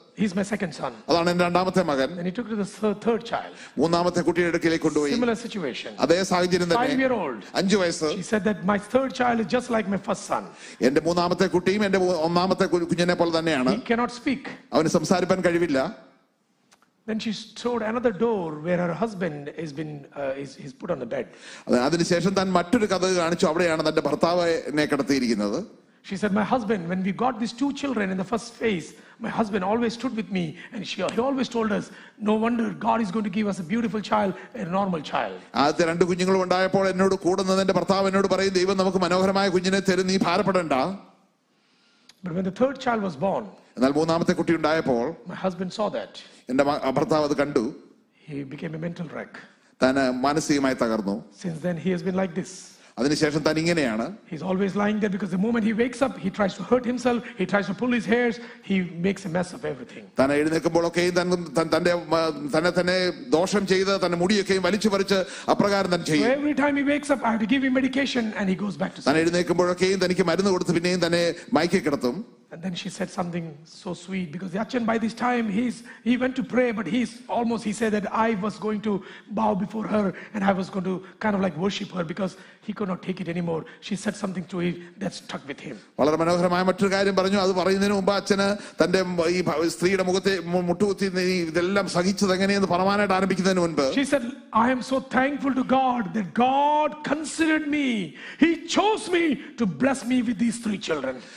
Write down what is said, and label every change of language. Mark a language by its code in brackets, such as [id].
[en] He's my second son. [ml] അതാണ് എൻ്റെ രണ്ടാമത്തെ മകൻ. [en] And he took to the third child. [ml] മൂന്നാമത്തെ കുട്ടിയുടെ അടുക്കലേക്ക് കൊണ്ടുപോയി. [en] Similar situation. [ml] അതേ സാഹചര്യം തന്നെ. [en] 5 year old. [ml] 5 വയസ്സ്. [en] She said that my third child is just like my first son. [ml] എൻ്റെ മൂന്നാമത്തെ കുട്ടിയും എൻ്റെ ഒന്നാമത്തെ കുഞ്ഞിനെ പോലെ തന്നെയാണ്. [en] He cannot speak. [ml] അവന് സംസാരിക്കാൻ കഴിയില്ല. [en] Then she stood another door where her husband has been is put on the bed. [ml] അതിനു ശേഷം താൻ മറ്റൊരു കതക് കാണിച്ചു, അവിടെയാണ് തൻ്റെ ഭർത്താവിനെ കിടത്തിയിരിക്കുന്നത്. [en] She said, "My husband, when we got these two children in the first phase, my husband always stood with me, and he always told us, 'No wonder God is going to give us a beautiful child, a normal child.'" [ml] അതെ, രണ്ട് കുഞ്ഞുങ്ങൾ ഉണ്ടായപ്പോൾ എന്നോട് കൂടുന്നതിന്റെ ഭർത്താവ് എന്നോട് പറയും, ദൈവം നമുക്ക് മനോഹരമായ കുഞ്ഞിനെ തരും, നീ ഭാരപ്പെടണ്ട. [en] But when the third child was born, [ml] എന്നാൽ മൂന്നാമത്തെ കുട്ടി ഉണ്ടായപ്പോൾ, [en] my husband saw that. [ml] എന്റെ ഭർത്താവ് അത് കണ്ടു. [en] He became a mental wreck. [ml] താൻ മാനസികമായി തകർന്നു. [en] Since then he has been like this. [ml] അതിനുശേഷം താൻ ഇങ്ങനെയാണ്. [en] He's always lying there because the moment he wakes up, he tries to hurt himself, he tries to pull his hairs, he makes a mess of everything. [ml] താൻ എഴുന്നേൽക്കുമ്പോഴൊക്കെ തന്നെ ദോഷം ചെയ്ത് തന്റെ മുടിയൊക്കെയും വലിച്ചു പറിച്ച് അപ്രകാരം തന്നെ ചെയ്യും. [en] So every time he wakes up, I have to give him medication and he goes back to sleep. [ml] താൻ എഴുന്നേൽക്കുമ്പോഴൊക്കെ തനിക്ക് മരുന്ന് കൊടുത്ത് പിന്നെയും തന്നെ മയക്കി കിടത്തും. [en] And then she said something so sweet, because the Achan, by this time he went to pray, but he said that I was going to bow before her and I was going to kind of like worship her, because he could not take it anymore. She said something to him that stuck with him. [ml] വളരെ മനോഹരമായ മറ്റൊരു കാര്യം പറഞ്ഞു. അത് പറയുന്നതിന് മുമ്പ് അച്ഛന് തന്റെ ഈ സ്ത്രീയുടെ മുഖത്തെ മുട്ടുകുത്തി ഇതെല്ലാം സഹിച്ചത് എങ്ങനെയെന്ന് പറയാനായിട്ട് ആരംഭിക്കുന്നതിന് മുൻപ്, [en] she said, "I am so thankful to God that God considered me. He chose me to bless me with these three children."